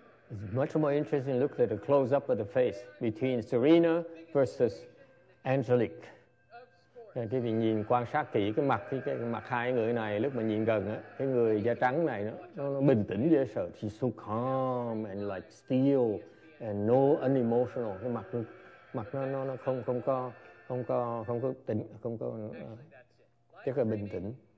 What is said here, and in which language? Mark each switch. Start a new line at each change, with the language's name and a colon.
English: It's much more interesting to look at a close-up of the face between Serena versus Angelique.
Vietnamese: Cái vì nhìn quan sát kỹ cái mặt hai người này lúc mà nhìn gần á, cái người da trắng này nó bình tĩnh dễ sợ.
English: She's so calm and like steel and no unemotional.
Vietnamese: Cái mặt nó không có tĩnh, không có rất là bình tĩnh.